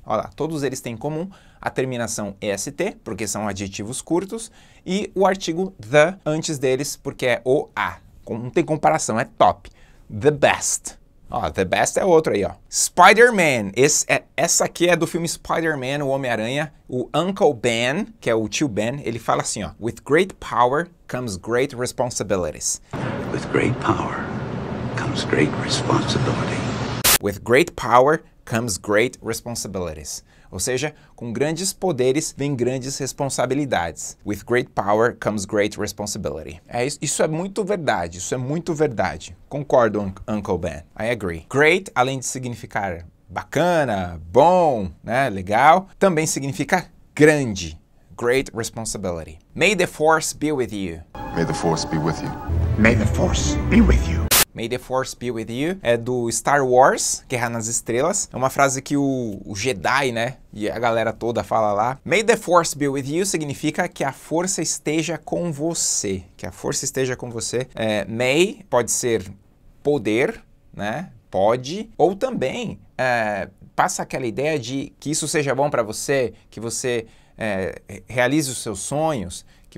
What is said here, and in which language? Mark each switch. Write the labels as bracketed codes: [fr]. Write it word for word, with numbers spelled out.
[pt] Olha lá, todos eles têm em comum a terminação est, porque são adjetivos curtos, e o artigo the antes deles, porque é o a. Não tem comparação, é top. [en] The best. [pt] Ó, the best é outro aí, ó. Spider-Man. Esse é, essa aqui é do filme Spider-Man, o Homem-Aranha. O Uncle Ben, que é o tio Ben, ele fala assim, ó. [en] With great power comes great responsibilities. With great power comes great responsibility. With great power comes great responsibilities. [pt] Ou seja, com grandes poderes vem grandes responsabilidades. [en] With great power comes great responsibility. [pt] É isso, isso é muito verdade, isso é muito verdade. Concordo, Uncle Ben. [en] I agree. [pt] Great, além de significar bacana, bom, né, legal, também significa grande. [en] Great responsibility. May the force be with you. May the force be with you. May the force be with you. May the Force be with you, [pt] é do Star Wars, Guerra nas Estrelas. É uma frase que o, o Jedi, né, e a galera toda fala lá. [en] May the Force be with you [pt] significa que a força esteja com você. Que a força esteja com você. É, may pode ser poder, né, pode, ou também é, passa aquela ideia de que isso seja bom pra você, que você é, realize os seus sonhos, que